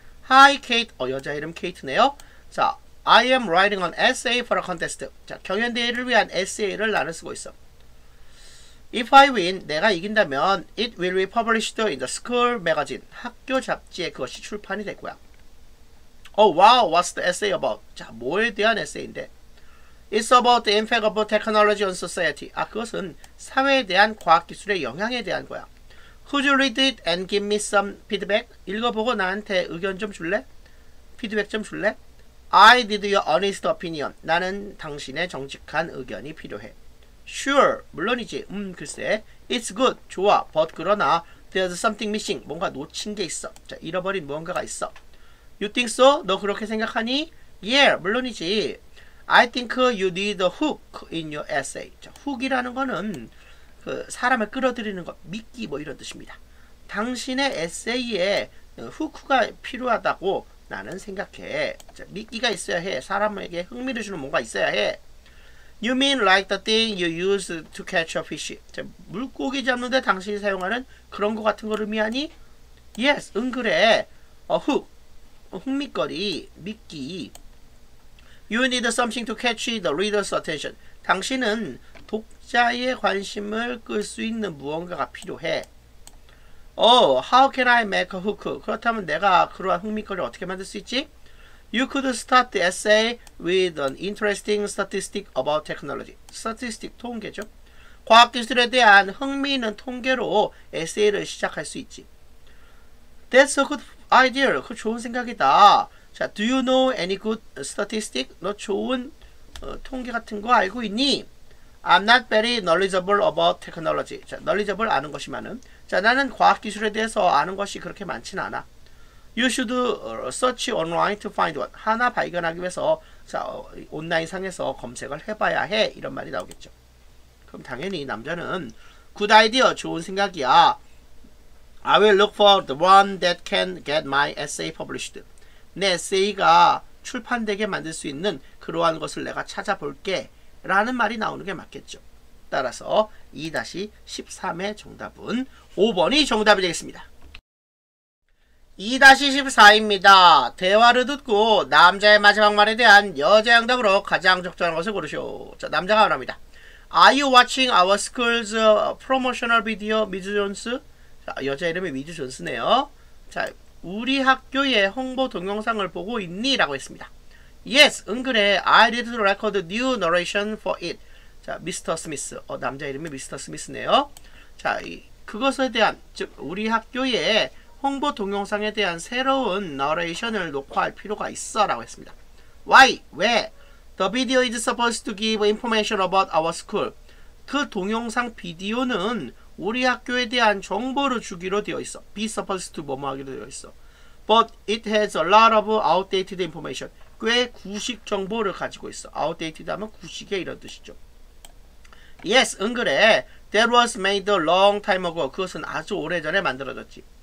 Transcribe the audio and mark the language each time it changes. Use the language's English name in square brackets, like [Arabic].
[English] Hi, Kate. [Korean] 여자 이름 Kate네요. [English] 자, I am writing an essay for a contest. 자, [Korean] 경연대회를 위한 essay를 나는 쓰고 있어. [English] If I win, [Korean] 내가 이긴다면 [English] it will be published in the school magazine. [Korean] 학교 잡지에 그것이 출판이 될 거야. [English] Oh, wow. What's the essay about? 자, [Korean] 뭐에 대한 essay인데? [English] It's about the impact of technology on society. [Korean] 아, 그것은 사회에 대한 과학기술의 영향에 대한 거야. [English] Could you read it and give me some feedback? [Korean] 읽어보고 나한테 의견 좀 줄래? 피드백 좀 줄래? [English] I need your honest opinion. [Korean] 나는 당신의 정직한 의견이 필요해. Sure, 물론이지. 글쎄. [English] It's good, [Korean] 좋아. But 그러나, [English] there's something missing. [Korean] 뭔가 놓친 게 있어. 자, 잃어버린 무언가가 있어. [English] You think so? [Korean] 너 그렇게 생각하니? [English] Yeah, 물론이지. I think you need a hook in your essay. [Korean] 자, hook이라는 거는 그 사람을 끌어들이는 것, 미끼 뭐 이런 뜻입니다. 당신의 에세이에 후크가 필요하다고 나는 생각해. 자, 미끼가 있어야 해. 사람에게 흥미를 주는 뭔가 있어야 해. [English] You mean like the thing you use to catch a fish? [Korean] 자, 물고기 잡는데 당신이 사용하는 그런 것 같은 걸 의미하니? Yes, 응, 그래. A hook, 흥미거리, 미끼. [English] You need something to catch the reader's attention. [Korean] 당신은 독자의 관심을 끌 수 있는 무언가가 필요해. [English] Oh, how can I make a hook? [Korean] 그렇다면 내가 그러한 흥미거리를 어떻게 만들 수 있지? [English] You could start the essay with an interesting statistic about technology. [Korean] Statistic, 통계죠. 과학기술에 대한 흥미있는 통계로 에세이를 시작할 수 있지. [English] That's a good idea. [Korean] 그거 좋은 생각이다. [English] 자, do you know any good statistic? [Korean] 너 좋은 통계 같은 거 알고 있니? [English] I'm not very knowledgeable about technology. 자, knowledgeable [Korean] 아는 것이 많은. 자, 나는 과학기술에 대해서 아는 것이 그렇게 많지는 않아. You should search online to find one. 하나 발견하기 위해서 자, 온라인상에서 검색을 해봐야 해. 이런 말이 나오겠죠. 그럼 당연히 남자는 [English] good idea, [Korean] 좋은 생각이야. [English] I will look for the one that can get my essay published. [Korean] 내 에세이가 출판되게 만들 수 있는 그러한 것을 내가 찾아볼게. 라는 말이 나오는 게 맞겠죠. 따라서 2-13의 정답은 5번이 정답이 되겠습니다. 2-14입니다. 대화를 듣고 남자의 마지막 말에 대한 여자의 응답으로 가장 적절한 것을 고르시오. 자, 남자가 말합니다. [English] Are you watching our school's promotional video, Ms. [Korean] Jones? 자, 여자 이름이 Ms. Jones네요. 자, 우리 학교의 홍보 동영상을 보고 있니? [English] 라고 했습니다. Yes, 응, 그래. I did record new narration for it. 자, Mr. Smith. [Korean] 남자 이름이 Mr. Smith네요. 자, 그것에 대한, 즉, 우리 학교의 홍보 동영상에 대한 새로운 나레이션을 녹화할 필요가 있어 라고 했습니다. [English] Why? [Korean] 왜? [English] The video is supposed to give information about our school. [Korean] 그 동영상 비디오는 우리 학교에 대한 정보를 주기로 되어 있어. Be supposed to 뭐뭐 하기로 되어 있어. [English] But it has a lot of outdated information. [Korean] 꽤 구식 정보를 가지고 있어. Outdated 하면 구식의 이런 뜻이죠. Yes, 응, 그래. [English] That was made a long time ago. [Korean] 그것은 아주 오래전에 만들어졌지.